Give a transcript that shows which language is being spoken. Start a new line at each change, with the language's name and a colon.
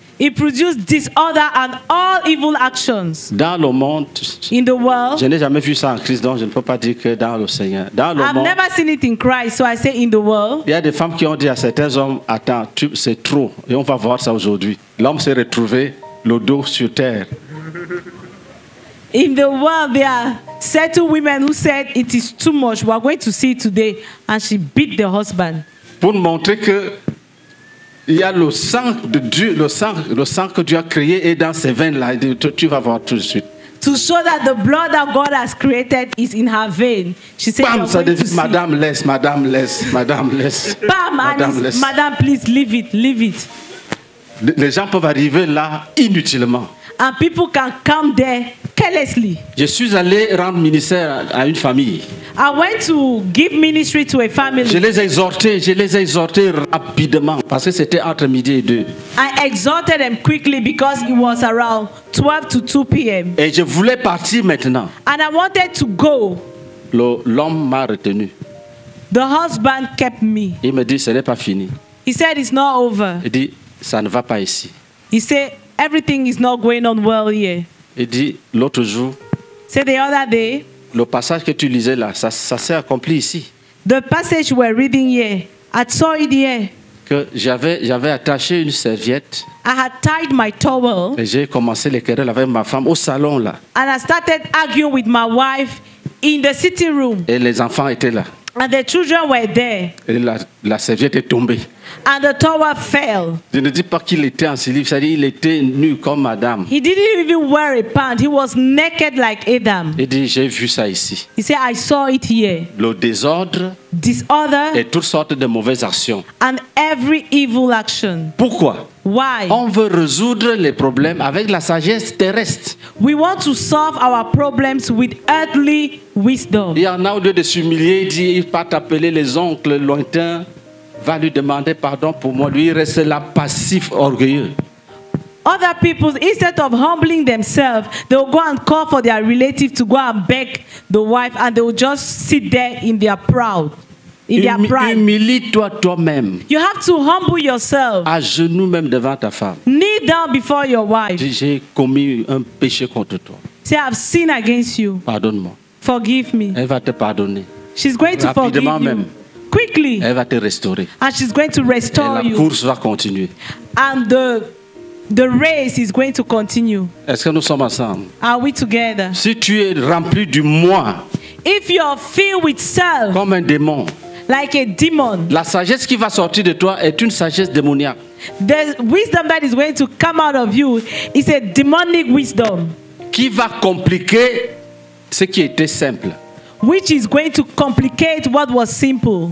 English: It produces disorder and all evil actions.
French: Dans le monde,
English: in the world,
French: je n'ai jamais vu ça en Christ, donc je ne peux pas dire que dans le Seigneur. Dans le
English: I've
French: monde,
English: never seen it in Christ, so I say in the world.
French: Il y a des femmes qui ont dit à certains hommes, attends, c'est trop, et on va voir ça aujourd'hui. L'homme s'est retrouvé le dos sur terre.
English: In the world, there are certain women who said it is too much. We are going to see it today, and she beat the husband.
French: Pour montrer que il y a le sang de Dieu, le sang que Dieu a créé est dans ses veines là. Tu vas voir tout de suite.
English: To show that the blood that God has created is in her vein. She said,
French: bam, ça dit, Madame, laisse. Bam, Madame, laisse. Madame,
English: please, leave it.
French: Les gens peuvent arriver là inutilement.
English: And people can come there carelessly.
French: Je suis allé rendre ministère à une famille.
English: I went to give ministry to a family.
French: Je les ai exhortés rapidement parce que c'était entre midi et deux.
English: I exhorted them quickly because it was around 12 to 2 p.m.
French: Et je voulais partir maintenant.
English: And I wanted to go.
French: L'homme m'a retenu.
English: The husband kept me.
French: Il me dit, ce n'est pas fini.
English: He said, it's not over.
French: Il dit, ça ne va pas ici.
English: He said, everything is not going on well here.
French: Il dit, l'autre jour.
English: Said the other day.
French: Le passage que tu lisais là, ça s'est accompli ici.
English: The passage we're reading here, I saw it here.
French: Que j'avais attaché une serviette.
English: I had tied my towel.
French: Et j'ai commencé les querelles avec ma femme au salon là.
English: And I started arguing with my wife in the sitting room.
French: Et les enfants étaient là.
English: And the children were there.
French: Et la serviette est tombée.
English: And the towel fell.
French: Je ne dis pas qu'il était en slip, c'est-à-dire il était nu comme Adam.
English: He didn't even wear a pant. He was naked like Adam.
French: Il dit, j'ai vu ça ici.
English: He said, I saw it here.
French: Le désordre.
English: Disorder.
French: Et toutes sortes de mauvaises actions.
English: And every evil action.
French: Pourquoi?
English: Why?
French: On veut résoudre les problèmes avec la sagesse terrestre.
English: We want to solve our problems with earthly wisdom.
French: Il y en a au lieu de s'humilier, il dit, il part appeler les oncles lointains. Va lui demander pardon pour moi. Lui reste là passif, orgueilleux.
English: Other people, instead of humbling themselves, they will go and call for their relative to go and beg the wife, and they will just sit there in their proud, in their pride.
French: Humilie-toi toi-même.
English: You have to humble yourself.
French: À genoux même devant ta femme.
English: Kneel down before your wife.
French: J'ai commis un péché contre toi.
English: Say, I've sinned against you.
French: Pardonne-moi.
English: Forgive me.
French: Elle va te pardonner.
English: She's going to forgive
French: même.
English: You. Quickly,
French: elle va te restaurer.
English: And she's going to restore
French: you. Et la course va continuer.
English: And the race is going to continue.
French: Est-ce que nous sommes ensemble?
English: Are we together?
French: Si tu es rempli du moi,
English: if you're filled with self,
French: comme un démon,
English: like a demon,
French: la sagesse qui va sortir de toi est une sagesse démoniaque.
English: The wisdom that is going to come out of you is a demonic wisdom.
French: Qui va compliquer ce qui était simple.
English: Which is going to complicate what was simple.